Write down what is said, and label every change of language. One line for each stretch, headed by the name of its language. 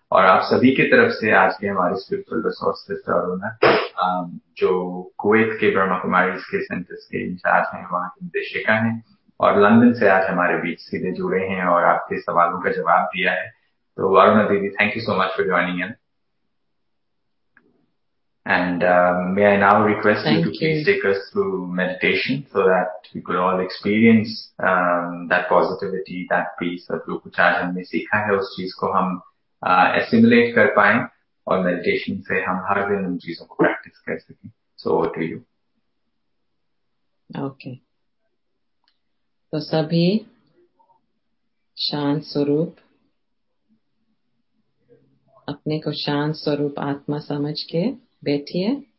Hindi: और आप सभी की तरफ से आज के हमारे स्पिरिचुअल रिसोर्स सिस्टर अरुणा, जो कुवैत के ब्रह्म कुमारी के सेंटर्स के इंचार्ज हैं, वहां की निदेशिका हैं, और लंदन से आज हमारे बीच सीधे जुड़े हैं और आपके सवालों का जवाब दिया है.
English: तो Aruna didi, thank you so much for joining us. And may I now request you to please take us through meditation so that we could all experience that positivity, that peace, that
Hindi: जो कुछ आज हमने सीखा है उस चीज को हम assimilate कर पाएं और meditation से हम हर दिन उन चीजों को practice कर सकें.
English: So over to you. Okay.
Hindi: तो सभी शांत स्वरूप, अपने को शांत स्वरूप आत्मा समझ के बैठिए.